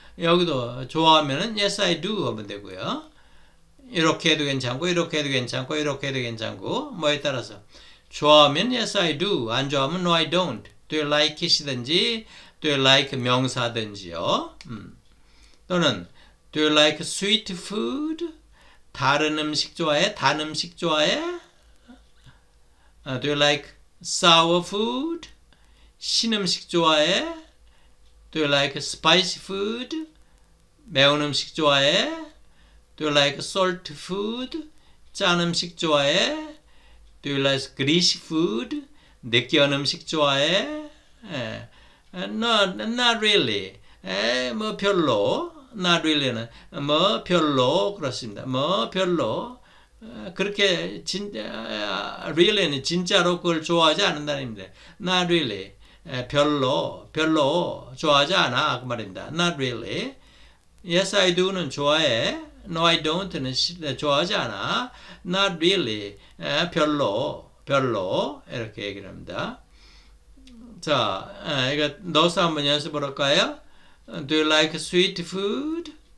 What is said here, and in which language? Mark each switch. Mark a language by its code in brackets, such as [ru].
[ko] 여기도 좋아하면은 yes I do 하면 되고요. 이렇게 해도 괜찮고 이렇게 해도 괜찮고 이렇게 해도 괜찮고 뭐에 따라서 좋아하면 yes I do 안 좋아하면 [en] no I don't do you like it이든지 [ko] do you like 명사든지요. [en] 또는 do you like sweet food [ko] 다른 음식 좋아해 단 음식 좋아해 [en] do you like sour food [ko] 신 음식 좋아해 [en] do you like spicy food [ko] 매운 음식 좋아해? [en] Do you like salt food? [ko] 짠 음식 좋아해? [en] Do you like greasy food? [ko] 느끼한 음식 좋아해? [en] Not really. [ko] 뭐 별로. Not really는 뭐 별로 그렇습니다. 뭐 별로 그렇게 진짜 really는 진짜로 그걸 좋아하지 않는다는 말입니다. [en] Not really. [ko] 별로 좋아하지 않아 그 말입니다. [en] Not really. Yes, I do는 좋아해. No, I don't는 [ko] 좋아하지 않아. [en] Not really. [ko] 별로. 이렇게 얘기를 합니다. 자, 이거 넣어서 한번 연습해 볼까요? [en] Do you like sweet food?